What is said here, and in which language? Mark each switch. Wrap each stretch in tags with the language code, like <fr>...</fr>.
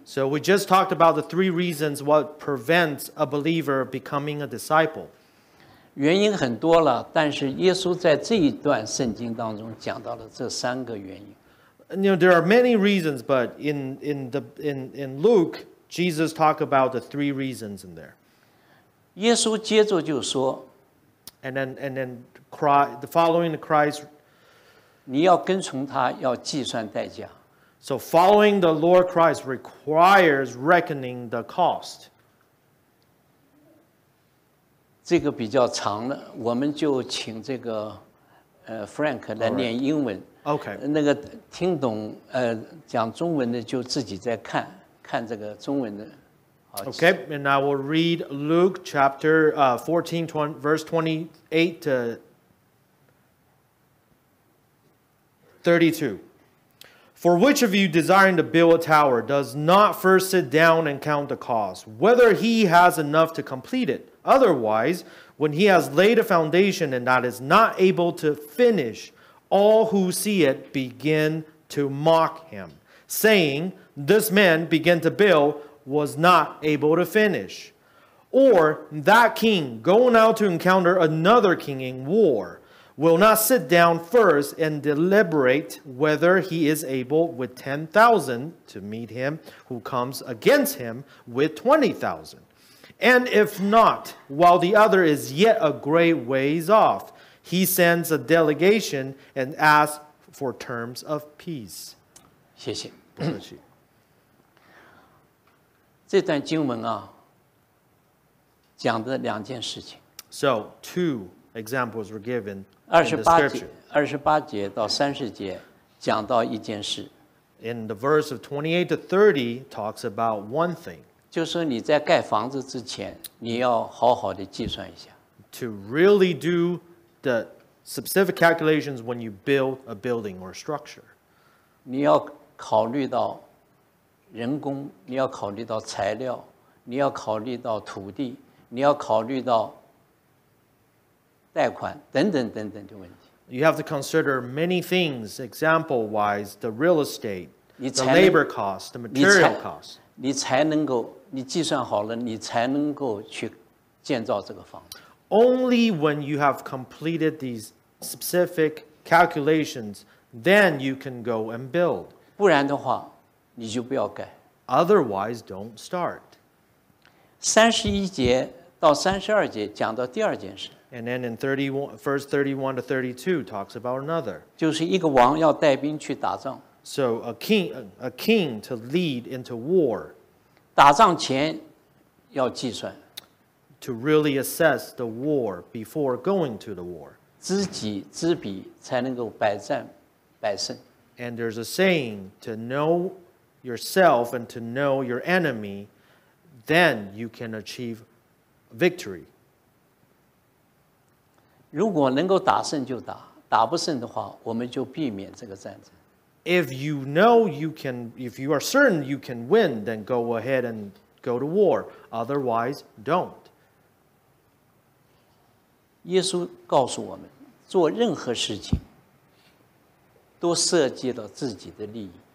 <en>So we just talked about the three reasons what prevents a believer becoming a disciple.</en> <zh>原因很多了，但是耶稣在这一段圣经当中讲到了这三个原因。</zh> <en>You know, there are many reasons, but in Luke, Jesus talked about the three reasons in there.</en> <zh>耶稣接着就说</zh> <en>and then Christ, following the Christ,</en> <zh>你要跟从他要计算代价。</zh> <en>So following the Lord Christ requires reckoning the cost.</en> <zh>这个比较长了，我们就请这个Frank 来念英文。</zh> <en>Okay.</en> <zh>那个听懂讲中文的就自己再看看这个中文的。</zh> <en>Okay, and I will read Luke chapter 14, verse 28 to 32. For which of you desiring to build a tower does not first sit down and count the cost, whether he has enough to complete it? Otherwise, when he has laid a foundation and that is not able to finish, all who see it begin to mock him, saying, this man began to build, was not able to finish. Or that king going out to encounter another king in war will not sit down first and deliberate whether he is able with 10,000 to meet him who comes against him with 20,000. And if not, while the other is yet a great ways off, he sends a delegation and asks for terms of peace.</en> <zh>谢谢。这段经文啊，讲的两件事情。</zh> <en>So two examples were given.</en> <zh>28节到三十节讲到一件事。</zh> <en>In the verse of 28 to 30 talks about one thing.</en> <zh>就是你在盖房子之前，你要好好的计算一下。</zh> <en>To really do the specific calculations when you build a building or structure.</en> <zh>你要考虑到。人工，你要考虑到材料，你要考虑到土地，你要考虑到贷款等等等等的问题。</zh> <en>You have to consider many things, example wise, the real estate, the labor cost, the material cost.</en> <zh>你才能够，你计算好了，你才能够去建造这个房子。</zh> <en>Only when you have completed these specific calculations, then you can go and build.</en> <zh>不然的话你就不要改。</zh> <en>Otherwise, don't start.</en> <zh>31节到32节讲到第二件事。</zh> <en>And then in 31 to 32 talks about another.</en> <zh>就是一个王要带兵去打仗。</zh> <en>So a king to lead into war.</en> <zh>打仗前要计算。</zh> <en>To really assess the war before going to the war.</en> <zh>知己知彼才能够百战百胜。</zh> <en>And there's a saying to know yourself and to know your enemy, then you can achieve victory.</en> <zh>如果能够打胜就打，打不胜的话，我们就避免这个战争。</zh> <en>If you know you can, if you are certain you can win, then go ahead and go to war. Otherwise, don't.</en> <zh>耶稣告诉我们，做任何事情都涉及到自己的利益。</zh>